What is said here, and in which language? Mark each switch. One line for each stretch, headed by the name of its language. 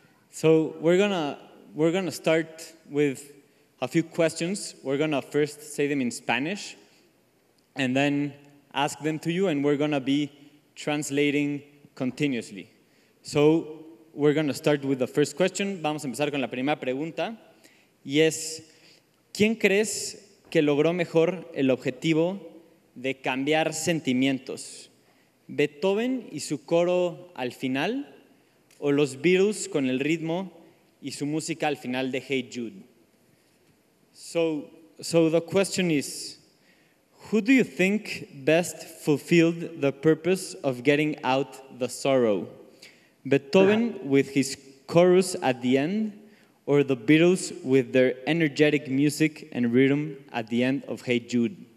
English: So we're gonna start with a few questions. We're gonna first say them in Spanish and then ask them to you, and we're gonna be translating continuously. So we're gonna start with the first question.
Spanish: Vamos a empezar con la primera pregunta. Y es, ¿quién crees que logró mejor el objetivo de cambiar sentimientos? ¿Beethoven y su coro al final o los Beatles con el ritmo y su música al final de Hey Jude?
English: So the question is, who do you think best fulfilled the purpose of getting out the sorrow? Beethoven with his chorus at the end, or the Beatles with their energetic music and rhythm at the end of Hey Jude?